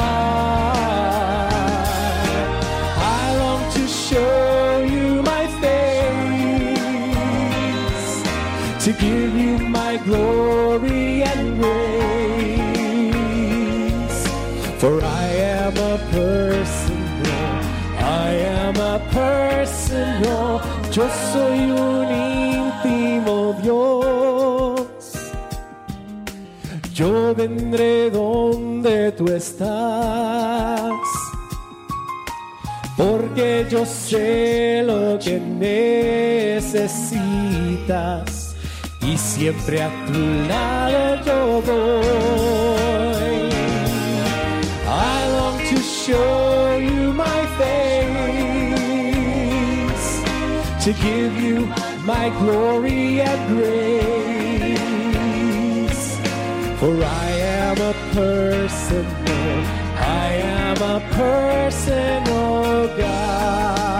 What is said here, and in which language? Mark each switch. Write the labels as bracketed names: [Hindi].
[English] I long to show you my face, to give you my glory and grace, for I am a personal, I am a personal, just so unique theme of yours. [Spanish] Yo vendré donde tú estás, porque yo sé lo que necesitas, y siempre a tu lado yo voy. [English] I long to show you my face, to give you my glory and grace, for I am a personal, I am a personal God.